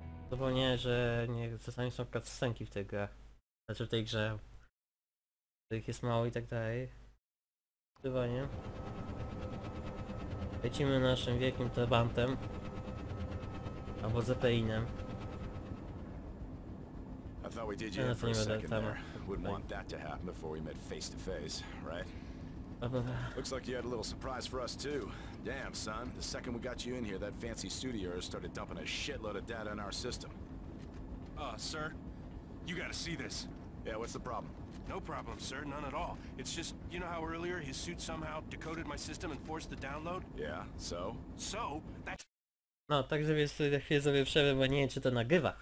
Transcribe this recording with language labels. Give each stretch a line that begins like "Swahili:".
Polish: Zapomnę, że nie, czasami są cutscenki w tej grze. Znaczy w tej grze. Tych jest mało i tak dalej. Zdecydowanie. Lecimy naszym wielkim trabantem. Albo Zeppelinem.
English: I thought we did you for a second there. Wouldn't want that to happen before we met face to face, right? Looks like you had a little surprise for us too. Damn, son. The second we got you in here, that fancy studio started dumping a shitload of data in our system. Sir? You gotta see this. Yeah, what's the problem? No problem, sir. None at all. It's just, you know how earlier his suit somehow decoded my system and forced the download? Yeah, so? So? That's...
Polish: No, tak, żeby sobie na chwilę zrobię przerwę, bo nie wiem, czy to nagrywa.